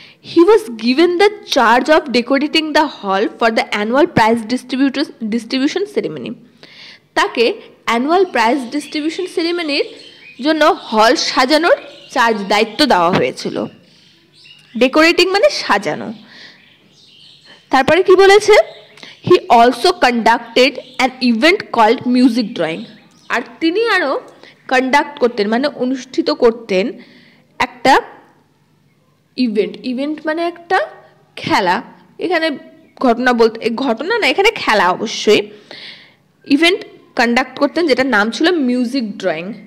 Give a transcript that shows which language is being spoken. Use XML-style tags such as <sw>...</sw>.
<en>he was given the charge of decorating the hall for the annual prize distribution ceremony,</en> <bn>তাকে annual prize distribution সেরিমনির জন্য হল সাজানোর charge, দায়িত্ব দেওয়া হয়েছিল, ডেকোরেটিং মানে সাজানো। তারপরে কি বলেছে,</bn> <en>He also conducted an event called music drawing.</en> <bn>আর তিনি আরও কন্ডাক্ট করতেন, মানে অনুষ্ঠিত করতেন একটা ইভেন্ট। ইভেন্ট মানে একটা খেলা, এখানে ঘটনা বলতে, ঘটনা না এখানে খেলা অবশ্যই, ইভেন্ট কন্ডাক্ট করতেন যেটার নাম ছিল মিউজিক ড্রয়িং।</bn>